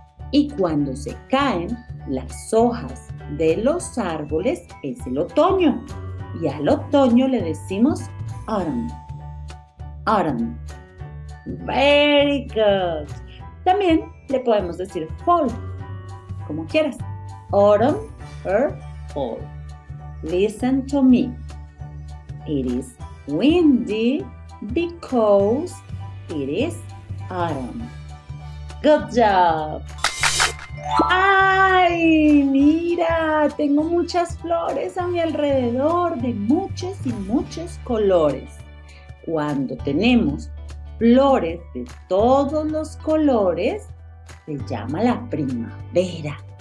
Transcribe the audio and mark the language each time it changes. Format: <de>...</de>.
<es>Y cuando se caen las hojas de los árboles, es el otoño. Y al otoño le decimos autumn. Autumn.</es> <en>Very good.</en> <es>También le podemos decir fall, como quieras.</es> <en>Autumn or fall. Listen to me. It is windy because it is autumn. Good job. ¡Ay!</en> <es>Mira, tengo muchas flores a mi alrededor de muchos y muchos colores. Cuando tenemos flores de todos los colores, se llama la primavera.</es>